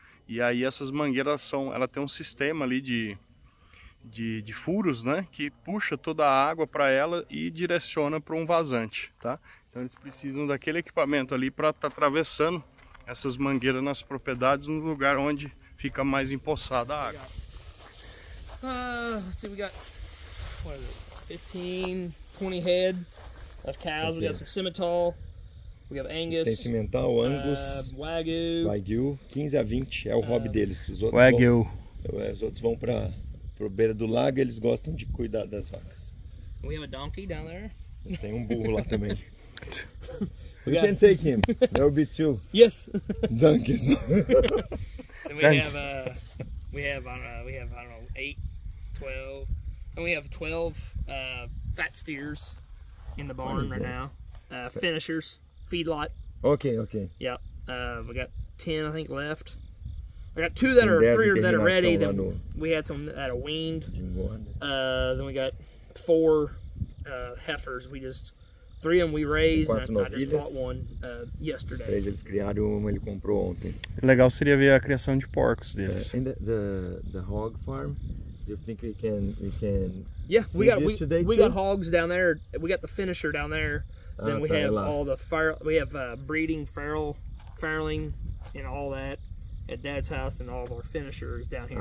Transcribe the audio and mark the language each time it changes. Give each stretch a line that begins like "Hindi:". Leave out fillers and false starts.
Portuguese: E aí essas mangueiras são, ela tem um sistema ali de furos, né? Que puxa toda a água para ela e direciona para um vazante, tá? Então eles precisam daquele equipamento ali para estar atravessando essas mangueiras nas propriedades, no lugar onde fica mais empoçada a água.
English: Let's see, we got, what is it, 15, 20 head of cows. Okay. We got some Simmental, we have Angus.
Portuguese: Tem Simmental, Angus, Wagyu, 15 a 20, é o hobby deles. Os outros Wagyu. Os outros vão para a beira do lago, eles gostam de cuidar das vacas.
English: We have a donkey down there.
Portuguese: Tem um burro lá também.
English: We can take him. There will be two. Yes. Donkeys. we have 8, 12, and we have 12 fat steers in the barn right now. Finishers, feedlot. Okay. Yeah. We got 10, I think, left. I got two that are three that are ready. Then we had some that are weaned. Then we got 4 heifers. We just 3 and we raised, and I just bought one yesterday.
Portuguese: 3 eles criaram, uma ele comprou ontem. Legal seria ver a criação de porcos deles.
English: In the hog farm, you think we can? Yeah, we got hogs down there. We got the finisher down there. Then we have all the fire. We have breeding farrowing and all that at Dad's house, and all of our finishers down here.